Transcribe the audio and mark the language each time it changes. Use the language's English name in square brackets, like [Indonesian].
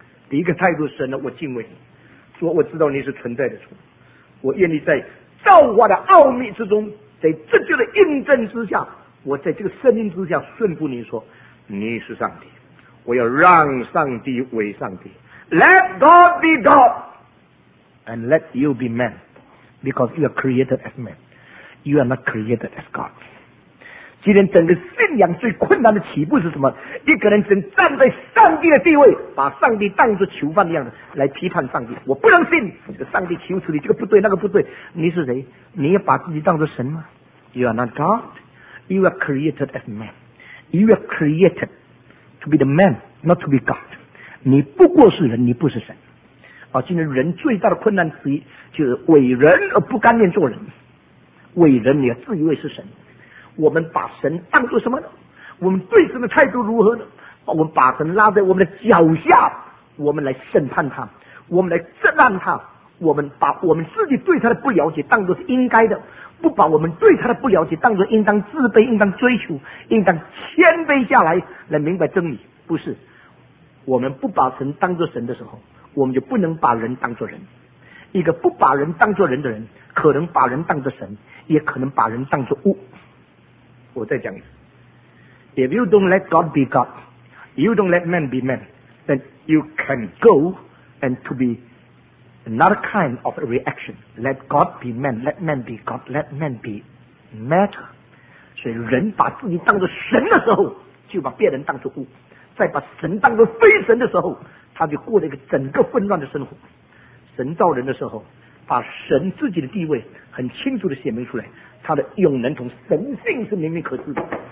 [Chinese] 第一个态度，神呢，我敬畏你，说我知道你是存在的主，我愿意在造化的奥秘之中，在这就的印证之下，我在这个声音之下顺服你，说你是上帝，我要让上帝为上帝。 [English] Let God be God and let you be man because you are created as manYou are not created as God. [Chinese] 今天整个信仰最困难的起步是什么？一个人正站在上帝的地位，把上帝当作囚犯一样的来批判上帝。我不能信这个上帝，求求你，这个不对，那个不对。你是谁？你也把自己当作神吗？ [English] You are not God. You are created as man. You are created to be the man, not to be God. [Chinese] 你不过是人，你不是神。啊，今天人最大的困难是，就是伟人而不甘愿做人。伟人，你要自以为是神。我们把神当作什么呢？我们对神的态度如何呢？我们把神拉在我们的脚下，我们来审判他，我们来责难他。我们把我们自己对他的不了解当作是应该的，不把我们对他的不了解当作应当自卑、应当追求、应当谦卑下来来明白真理。不是，我们不把神当作神的时候，我们就不能把人当作人。一个不把人当作人的人，可能把人当作神，也可能把人当作物。我再讲一次， [English] If you don't let God be God, you don't let man be man, then you can go and to beAnother kind of reaction. Let God be man. Let man be God. Let man be matter. [Chinese] 所以人把自己当作神的时候，就把别人当作物；再把神当作非神的时候，他就过了一个整个混乱的生活。神造人的时候，把神自己的地位很清楚地显明出来，他的永能从神性是明明可知的。